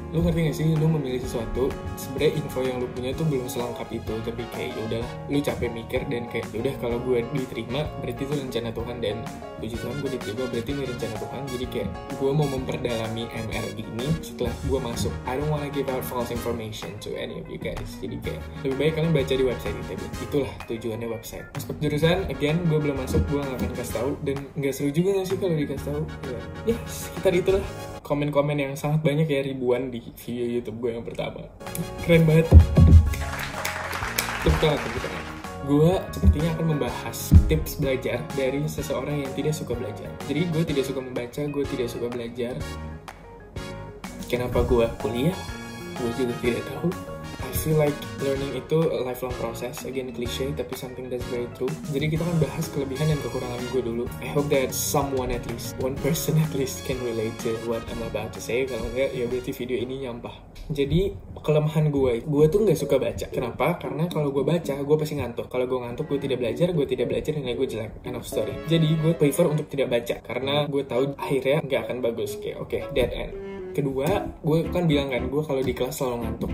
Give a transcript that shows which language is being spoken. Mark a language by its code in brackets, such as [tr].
[id] Lu ngerti gak sih, lu memilih sesuatu sebenarnya info yang lu punya tuh belum selengkap itu. Tapi kayak yaudahlah, lu capek mikir dan kayak yaudah kalau gue diterima berarti itu rencana Tuhan. Dan puji Tuhan gue diterima berarti ini rencana Tuhan. Jadi kayak gue mau memperdalami MRI ini setelah gue masuk. [en] I don't wanna give out false information to any of you guys. [id] Jadi kayak lebih baik kalian baca di website ITB. Itulah tujuannya website. Masuk jurusan, again, gue belum masuk, gue gak akan kasih tahu. Dan gak seru juga gak sih kalau dikasih tahu. Ya, sekitar itulah. Komen-komen yang sangat banyak ya, ribuan di video YouTube gue yang pertama. Keren banget. Tepuk tangan. Gue sepertinya akan membahas tips belajar dari seseorang yang tidak suka belajar. Jadi gue tidak suka membaca, gue tidak suka belajar. Kenapa gue kuliah? Gue juga tidak tahu. [en] I feel like learning [id] itu [en] a lifelong process. Again, cliche, [id] tapi [en] something that's very true. [id] Jadi kita akan bahas kelebihan dan kekurangan gue dulu. [en] I hope that someone at least, one person at least can relate to what I'm about to say. [id] Kalau enggak, ya berarti video ini nyampah. Jadi, kelemahan gue tuh gak suka baca. Kenapa? Karena kalau gue baca, gue pasti ngantuk. Kalau gue ngantuk, gue tidak belajar, dan gue jelek. [en] End of story. [id] Jadi, gue prefer untuk tidak baca. Karena gue tahu akhirnya gak akan bagus. Kayak, oke, dead end. Kedua, gue kan bilang kan, gue kalau di kelas selalu ngantuk.